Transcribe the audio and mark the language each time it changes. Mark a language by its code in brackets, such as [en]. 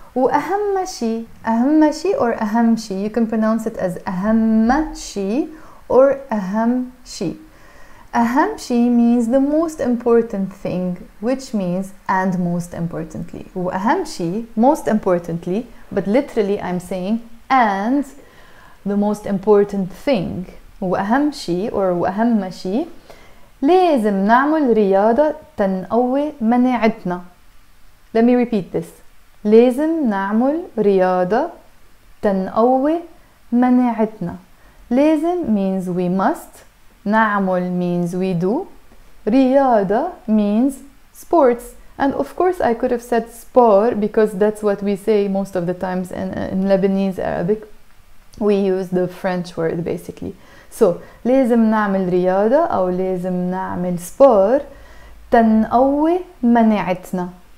[en] وأهم شيء or أهم شيء. You can pronounce it as أهم شيء or أهم شيء. أهم شيء means the most important thing, which means and most importantly. [ar] وأهم شيء, [en] most importantly, but literally I'm saying and the most important thing. [ar] وأهم شيء or وأهم شيء. لازم نعمل رياضة تنقوي مناعتنا. [en] Let me repeat this. [ar] لازم نعمل رياضة تنقوي مناعتنا. [en] لازم means we must. نعمل means we do. رياضة means sports. And of course I could have said sport because that's what we say most of the times in Lebanese Arabic. We use the French word basically. So [ar] لازم نعمل رياضة أو لازم نعمل سبور تنقوي مناعتنا.